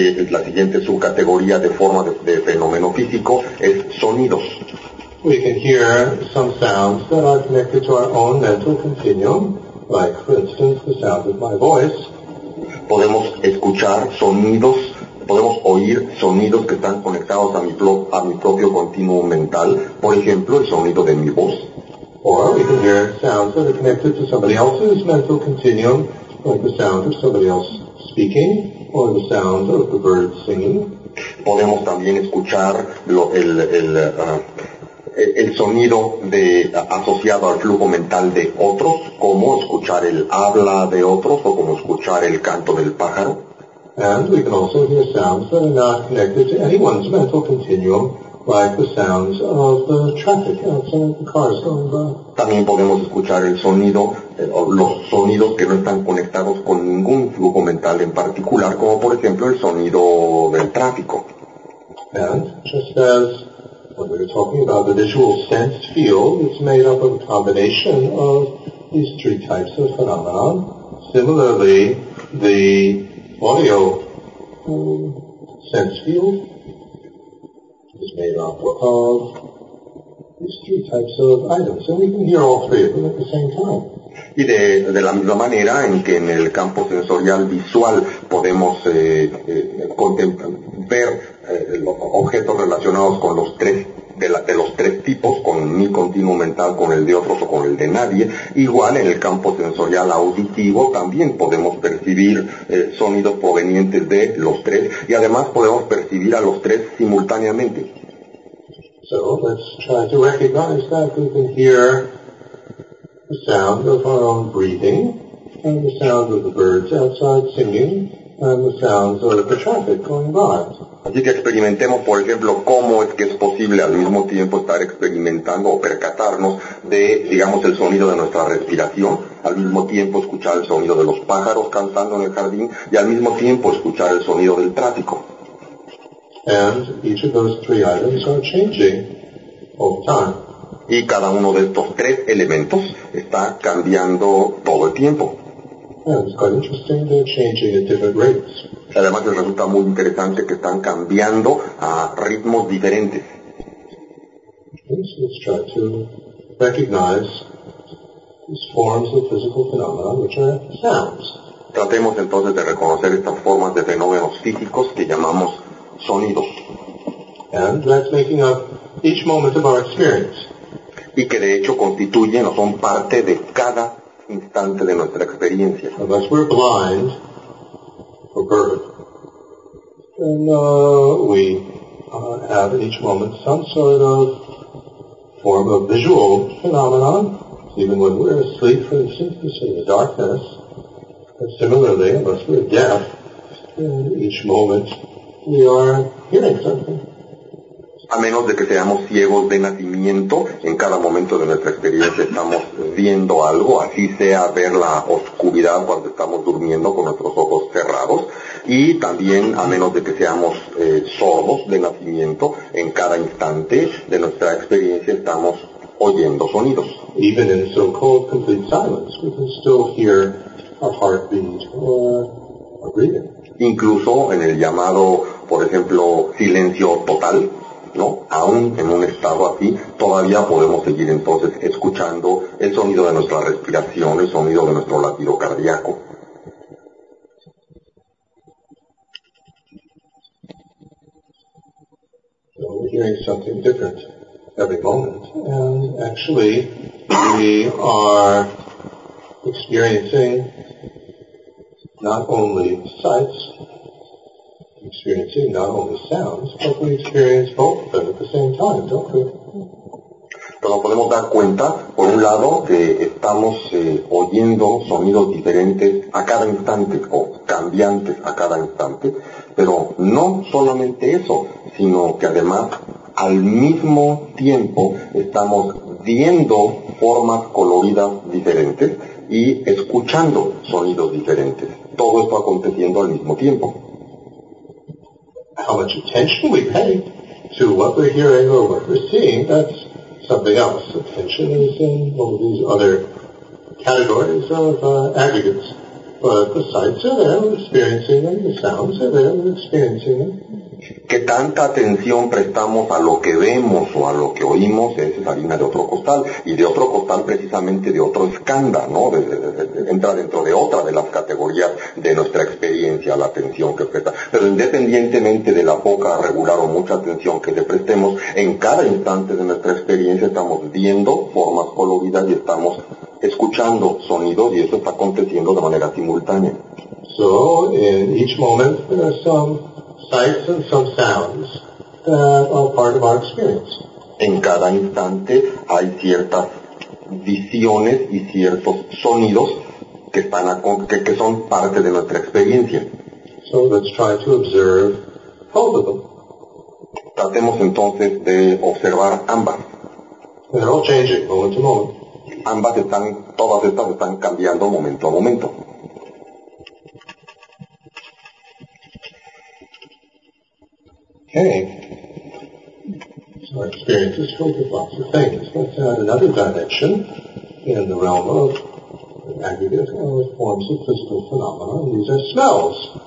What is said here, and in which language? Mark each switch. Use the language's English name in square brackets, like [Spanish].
[Spanish] La siguiente subcategoría de forma de fenómeno físico es sonidos. [English] We can hear some sounds that are connected to our own mental continuum, like, for instance, the sound of my voice. [Spanish] Podemos oír sonidos que están conectados a mi propio continuo mental, por ejemplo, el sonido de mi voz. [English] Or we can hear sounds that are connected to somebody else's mental continuum, like the sound of somebody else speaking, or the sound of the bird singing. [Spanish] Podemos también escuchar el sonido de asociado al flujo mental de otros, como escuchar el habla de otros o como escuchar el canto del pájaro. [English] And we can also hear sounds that are not connected to anyone's mental continuum, like the sounds of the traffic outside the cars going by. [Spanish] También podemos escuchar el sonido, los sonidos que no están conectados con ningún flujo mental en particular, como por ejemplo el sonido del tráfico. [English] And just as when we're talking about the visual sense field, it's made up of a combination of these three types of phenomena. Similarly, the audio sense field is made up of these three types of items, and we can hear all three of them at the same time. [Spanish] Y de la misma manera en que en el campo sensorial visual podemos ver los objetos relacionados con los tres de los tres tipos, con mi continuo mental, con el de otros o con el de nadie. Igual en el campo sensorial auditivo también podemos percibir sonidos provenientes de los tres, y además podemos percibir a los tres simultáneamente. [English] So let's try to recognize that we can hear the sound of our own breathing, and the sound of the birds outside singing, and the sounds of the traffic going by. [Spanish] Así que experimentemos, por ejemplo, cómo es que es posible al mismo tiempo estar experimentando o percatarnos de, digamos, el sonido de nuestra respiración, al mismo tiempo escuchar el sonido de los pájaros cantando en el jardín, y al mismo tiempo escuchar el sonido del tráfico. [English] And each of those three items are changing all the time. [Spanish] Y cada uno de estos tres elementos está cambiando todo el tiempo. [English] Yeah, it's quite interesting, they're changing at different rates. [Spanish] Además, les resulta muy interesante que están cambiando a ritmos diferentes. [English] Let's try to recognize these forms of physical phenomena, which are sounds. [Spanish] Tratemos entonces de reconocer estas formas de fenómenos físicos que llamamos sonidos. [English] And that's making up each moment of our experience. [Spanish] Y que de hecho constituyen o son parte de cada instante de nuestra experiencia. [English] Unless we're blind or bird, then we have each moment some sort of form of visual phenomenon. Even when we're asleep, for instance, we see the darkness. And similarly, unless we're deaf, then each moment we are hearing something. [Spanish] A menos de que seamos ciegos de nacimiento, en cada momento de nuestra experiencia estamos viendo algo, así sea ver la oscuridad cuando estamos durmiendo con nuestros ojos cerrados, y también a menos de que seamos sordos de nacimiento, en cada instante de nuestra experiencia estamos oyendo sonidos. [English] Even in so-called complete silence, we can still hear a heartbeat or a breathing. [Spanish] Incluso en el llamado, por ejemplo, silencio total, ¿no? Aún en un estado así, todavía podemos seguir entonces escuchando el sonido de nuestra respiración, el sonido de nuestro latido cardíaco. [English] So we're hearing something different every moment, and actually we are experiencing not only sights, experiencing not only sounds, but we experience both of them at the same time, don't we? [Spanish] Pero nos podemos dar cuenta, por un lado, que estamos oyendo sonidos diferentes a cada instante, o cambiantes a cada instante, pero no solamente eso, sino que además, al mismo tiempo, estamos viendo formas coloridas diferentes y escuchando sonidos diferentes. Todo esto aconteciendo al mismo tiempo. [English] How much attention we pay to what we're hearing or what we're seeing, that's something else. Attention is in all these other categories of aggregates. But the sights are there, we're experiencing them, the sounds are there, we're experiencing them. [Spanish] ¿Qué tanta atención prestamos a lo que vemos o a lo que oímos? Es harina de otro costal, y de otro costal precisamente de otro escándalo, ¿no? Entra dentro de otra de las categorías de nuestra experiencia, la atención que presta. Pero independientemente de la poca, regular o mucha atención que le prestemos, en cada instante de nuestra experiencia estamos viendo formas coloridas y estamos escuchando sonidos, y eso está aconteciendo de manera simultánea. [English] So, in each moment, there are some sights and some sounds that are part of our experience. [Spanish] En cada instante hay ciertas visiones y ciertos sonidos que son parte de nuestra experiencia. [English] So let's try to observe both of them. [Spanish] Tratemos entonces de observar ambas. [English] They're all changing moment to moment. [Spanish] Ambas están, todas estas están cambiando momento a momento. [English] Okay, so our experience is filled with lots of things. Let's add another dimension in the realm of an aggregate of forms of physical phenomena, and these are smells.